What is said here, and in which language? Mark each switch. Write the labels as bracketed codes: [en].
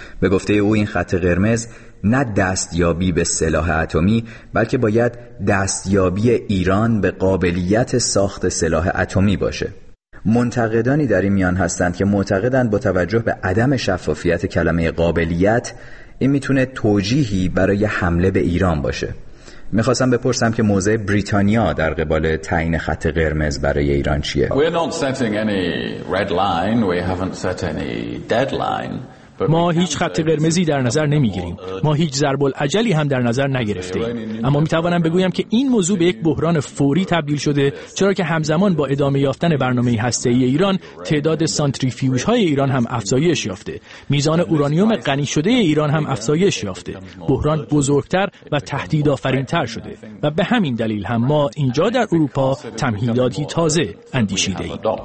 [fa] به گفته او، این خط قرمز نه دستیابی به سلاح اتمی، بلکه باید دستیابی ایران به قابلیت ساخت سلاح اتمی باشه. منتقدانی در این میان هستند که معتقدند با توجه به عدم شفافیت کلمه قابلیت، این میتونه توجیهی برای حمله به ایران باشه. میخواستم بپرسم که موضع بریتانیا در قبال تعیین خط قرمز برای ایران چیه؟ [en] We're not setting any red line. We haven't set any deadline. [fa] ما هیچ خط قرمزی در نظر نمیگیریم. ما هیچ ضرب العجلی هم در نظر نگرفتیم. اما میتوانم بگویم که این موضوع به یک بحران فوری تبدیل شده، چرا که همزمان با ادامه یافتن برنامه هسته‌ای ایران، تعداد سانتریفیوژهای ایران هم افزایش یافته. میزان اورانیوم غنی شده ایران هم افزایش یافته. بحران بزرگتر و تهدیدآفرین‌تر شده و به همین دلیل هم ما اینجا در اروپا تمهیداتی تازه اندیشیده‌ایم.